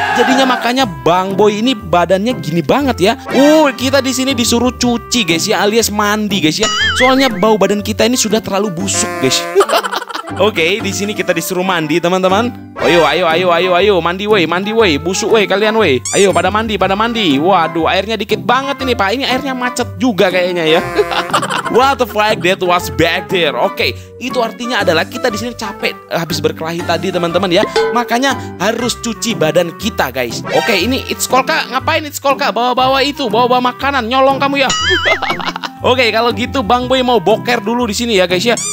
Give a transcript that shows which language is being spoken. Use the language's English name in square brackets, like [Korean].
[Indonesian] Jadinya makanya Bang Boy ini badannya gini banget ya. Kita di sini disuruh cuci, guys ya, alias mandi, guys ya. Soalnya bau badan kita ini sudah terlalu busuk, guys. Oke, di sini kita disuruh mandi, teman-teman. Ayo, mandi, woi, busuk, woi, kalian, woi. Ayo, pada mandi. Waduh, airnya dikit banget ini, Pak. Ini airnya macet juga kayaknya ya. [English] What the fuck, that was back there. [Indonesian] Oke, itu artinya adalah kita di sini capek habis berkelahi tadi, teman-teman ya. Makanya harus cuci badan kita, guys. Oke, ini it's Kolka, ngapain it's Kolka? Bawa-bawa makanan, nyolong kamu ya. Oke, kalau gitu Bang Boy mau boker dulu di sini ya, guys ya.